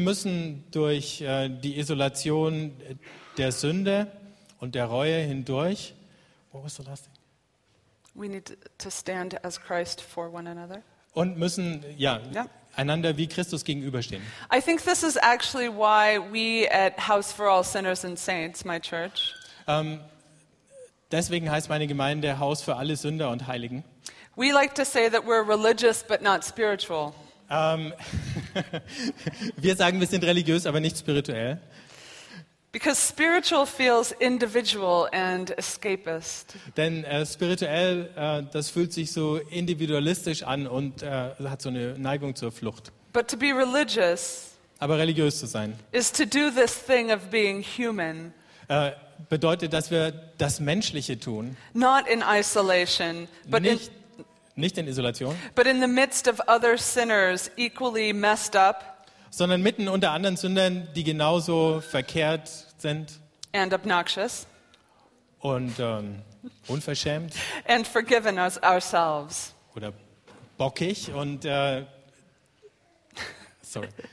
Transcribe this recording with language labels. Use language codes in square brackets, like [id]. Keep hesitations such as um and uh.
[de] müssen durch die Isolation der Sünde und der Reue hindurch. [en] Oh, was the last thing? We need to stand as Christ for one another. [de] Und müssen ja [en] yeah. [de] einander wie Christus gegenüberstehen. [en] I think this is actually why we at House for All Sinners and Saints, my church. [de] Um, deswegen heißt meine Gemeinde Haus für alle Sünder und Heiligen. [en] We like to say that we're religious but not spiritual. [de] Um, wir sagen, wir sind religiös, aber nicht spirituell. [en] Because spiritual feels individual and escapist. [de] Denn äh, spirituell, äh, das fühlt sich so individualistisch an und äh, hat so eine Neigung zur Flucht. [en] But to be religious [de] Aber religiös zu sein, [en] is to do this thing of being human. [de] Äh, bedeutet, dass wir das Menschliche tun. [en] Not in isolation, but [de] nicht, in, nicht, in, Isolation, [en] but in the midst of other sinners equally messed up [de] sondern mitten unter anderen Sündern, die genauso verkehrt sind. [en] And obnoxious. [de] Und ähm, unverschämt. [en] And forgiven us [de] Oder bockig und äh sorry.